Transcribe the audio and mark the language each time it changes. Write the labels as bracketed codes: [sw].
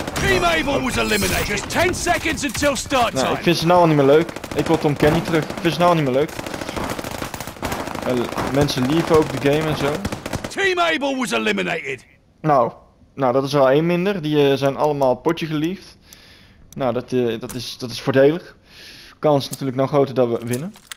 [en] Team Abel was eliminated. Just 10 seconds until start time. [nl] Nou, ik vind ze nou al niet meer leuk. Ik wil Tom Kenny terug. Ik vind ze nou al niet meer leuk. Mensen lieven ook de game en zo. [en] Team Abel was eliminated. [nl] Nou, dat is wel één minder. Die zijn allemaal potje geliefd. Nou, dat is voordelig. Kans natuurlijk nou groter dat we winnen.